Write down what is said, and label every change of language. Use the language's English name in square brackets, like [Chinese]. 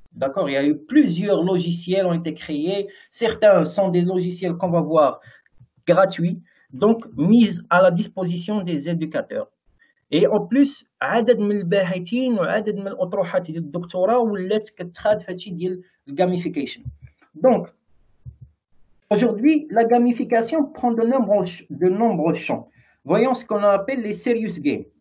[French] D'accord, il y a eu plusieurs logiciels ont été créés. Certains sont des logiciels qu'on va voir gratuits, donc mis à la disposition des éducateurs. Et en plus, [Arabic] عدد من الباحثين وعدد من الاطروحات ديال الدكتوراه ولات كتخاد في هادشي ديال الجاميفيكيشن. [French] Donc aujourd'hui, la gamification prend de nombreux champs. Voyons ce qu'on appelle les serious games.